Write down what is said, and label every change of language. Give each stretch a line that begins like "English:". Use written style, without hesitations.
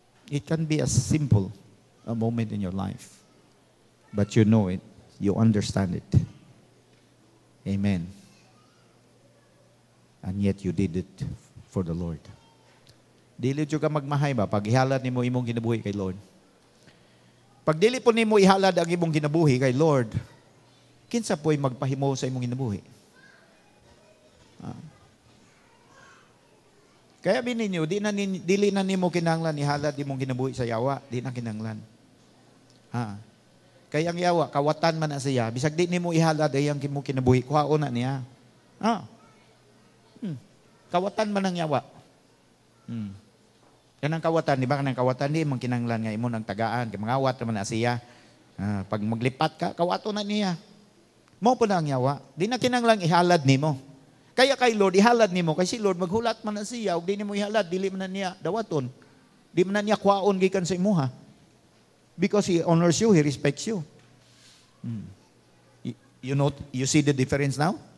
English: It can be as simple a moment in your life. But you know it. You understand it. Amen. And yet you did it for the Lord.
Cebuano: Dili jud ka magmahay ba pag ihalad nimo imong ginabuhi kay Lord. Pag dili po nimo ihalad ang imong ginabuhi kay Lord, kinsa po'y magpahimo sa imong ginabuhi? Kaya bininyo, dili na nimo kinanglan ihalad imong ginabuhi sa Yawa, di na kinanglan. Kaya ang Yawa, kawatan man na siya, bisag di nimo ihalad ang imong ginabuhi, kuhao na niya. Kawatan man ang Yawa. Kanang kawatan, di ba? Kanang kawatan, di mong kinanglan nga imo ng tagaan. Kamangawat naman na siya. Pag maglipat ka, kawato na niya. Mo po na ang Yawa. Di na kinanglan ihalad ni mo. Kaya kay Lord, ihalad ni mo. Kasi Lord, maghulat man na siya. Huwag di ni mo ihalad, dili man na niya. Dawaton. Di man na niya kwaon gikan sa imo ha.
English: Because he honors you, he respects you. You see the difference now?